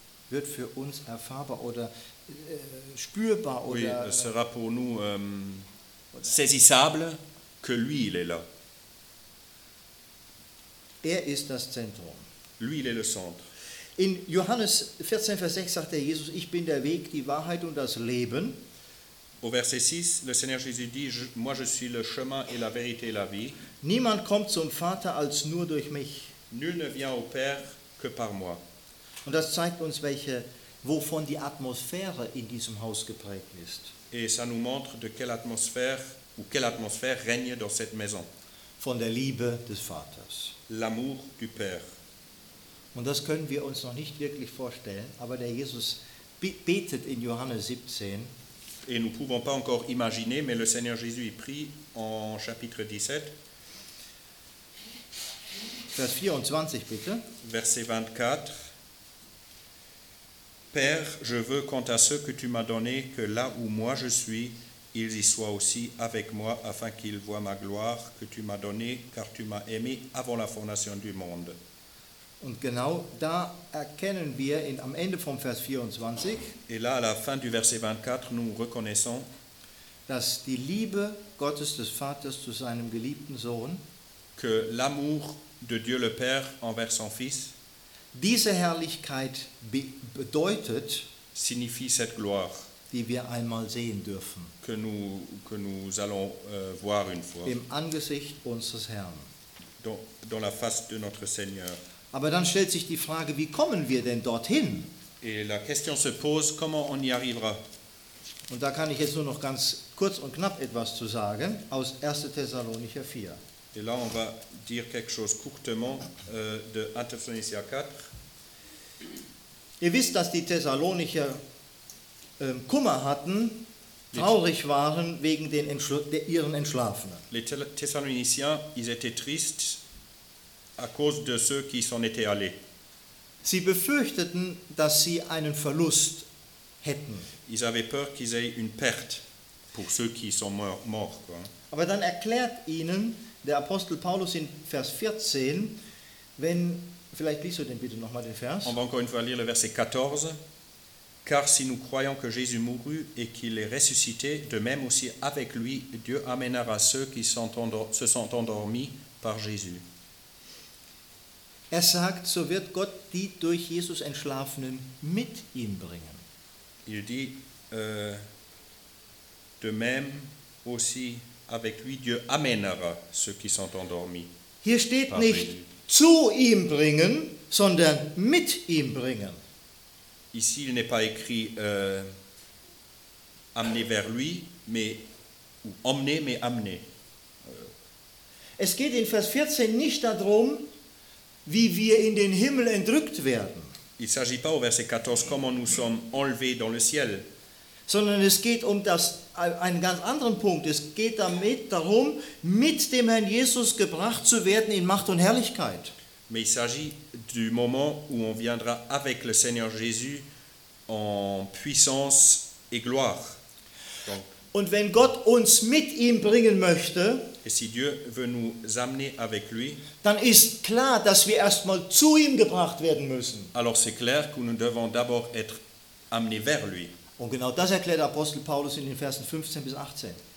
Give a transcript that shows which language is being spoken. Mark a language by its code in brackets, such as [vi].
[de] Wird für uns erfahrbar oder spürbar [fr] oui, [de] oder [fr] sera pour nous saisissable que lui il est là. [de] Er ist das Zentrum. [fr] Lui il est le centre. [de] In Johannes 14 Vers 6 sagt der Jesus, ich bin der Weg, die Wahrheit und das Leben. [fr] Au verset 6, le Seigneur Jésus dit, moi je suis le chemin et la vérité et la vie. [de] Niemand kommt zum Vater als nur durch mich. [fr] Nul ne vient au Père que par moi. [de] Und das zeigt uns, wovon die Atmosphäre in diesem Haus geprägt ist. [fr] Et ça nous montre de quelle atmosphère ou quelle atmosphère règne dans cette maison. [de] Von der Liebe des Vaters. [fr] L'amour du Père. [de] Und das können wir uns noch nicht wirklich vorstellen, aber der Jesus betet in Johannes 17. [fr] Et nous ne pouvons pas encore imaginer, mais le Seigneur Jésus y prie en chapitre 17. [de] Vers 24, bitte. [fr] Verset 24. Père, je veux, quant à ceux que tu m'as donné, que là où moi je suis, ils y soient aussi avec moi, afin qu'ils voient ma gloire que tu m'as donnée, car tu m'as aimé avant la fondation du monde. [de] Und genau da erkennen wir am Ende vom Vers 24, [fr] et là, à la fin du verset 24, nous reconnaissons, [de] dass die Liebe Gottes des Vaters zu seinem geliebten Sohn, [fr] que l'amour de Dieu le Père envers son Fils, [de] diese Herrlichkeit bedeutet, [fr] signifie cette gloire, [de] die wir einmal sehen dürfen, [fr] que nous allons voir une fois, [de] im Angesicht unseres Herrn. [fr] dans la face de notre Seigneur. [de] Aber dann stellt sich die Frage, wie kommen wir denn dorthin? [fr] Et la question se pose, comment on y arrivera? [de] Und da kann ich jetzt nur noch ganz kurz und knapp etwas zu sagen, aus 1. Thessalonicher 4. [fr] Et là, on va dire quelque chose courtement de 1 Thessalonicher 4. [de] Ihr wisst, dass die Thessalonicher Kummer hatten, traurig waren wegen den ihren Entschlafenen. [fr] Les Thessaloniciens, ils étaient tristes à cause de ceux qui s'en étaient allés. [de] Sie befürchteten, dass sie einen Verlust hätten. [fr] Ils avaient peur qu'ils aient une perte pour ceux qui sont morts, quoi. [de] Aber dann erklärt ihnen der Apostel Paulus in Vers 14, wenn, vielleicht liest du den bitte nochmal den Vers. [fr] On va encore une fois lire le verset 14. Car si nous croyons que Jésus mourut et qu'il est ressuscité, de même aussi avec lui, Dieu amènera ceux qui se sont endormis par Jésus. [de] Er sagt, so wird Gott die durch Jesus Entschlafenen mit ihm bringen. [fr] Il dit, de même aussi avec lui, Dieu amènera ceux qui sont endormis. [de] Hier steht nicht zu ihm bringen, sondern mit ihm bringen. [fr] Ici, il n'est pas écrit amener vers lui, mais ou emmener, mais amener. [de] Es geht in Vers 14 nicht darum, wie wir in den Himmel entrückt werden. [fr] Il s'agit pas au verset 14 comment nous sommes enlevés dans le ciel. [de] Sondern es geht um das einen ganz anderen Punkt. Es geht damit darum, mit dem Herrn Jesus gebracht zu werden in Macht und Herrlichkeit. [fr] Mais il s'agit du moment où on viendra avec le Seigneur Jésus en puissance et gloire. [de] Donc, und wenn Gott uns mit ihm bringen möchte, [fr] et si Dieu veut nous amener avec lui, [de] dann ist klar, dass wir erstmal zu ihm gebracht werden müssen. [fr] Alors c'est clair que nous devons d'abord être amenés vers lui. [de] Und genau das erklärt Apostel Paulus in den Versen 15 bis 18.